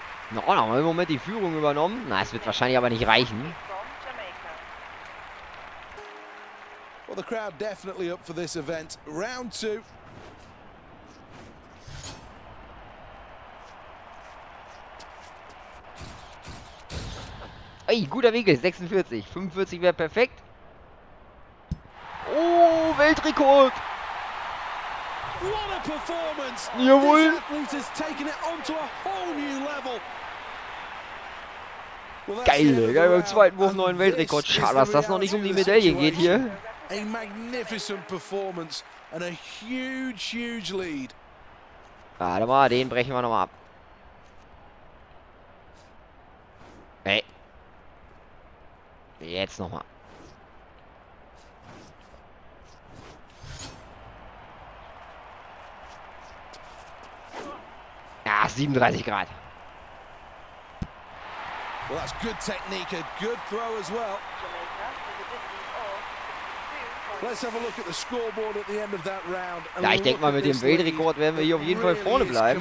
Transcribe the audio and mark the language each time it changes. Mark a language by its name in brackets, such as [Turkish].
[German] Na, no, haben wir im Moment die Führung übernommen. Na, es wird wahrscheinlich aber nicht reichen. [English] Well, the crowd definitely up for this event. Round two. [German] Ey, guter Winkel, 46. 45 wäre perfekt. Oh, Weltrekord! [English] What a performance! [German] Jawohl! [English] This athlete has taken it onto a whole new level. [German] Geil, geil, beim zweiten Wurf neuen Weltrekord. Schade, dass das noch nicht um die Medaille geht hier. [English] A magnificent performance and a huge, huge lead. [German] Warte mal, den brechen wir nochmal ab. Hey. Jetzt nochmal. Ah, 37 Grad. [English] Well, that's good technique, a good throw as well. Let's have a look at the scoreboard at the end of that round. [German] Ja, ich denke mal, mit dem Weltrekord werden wir hier auf jeden Fall vorne bleiben.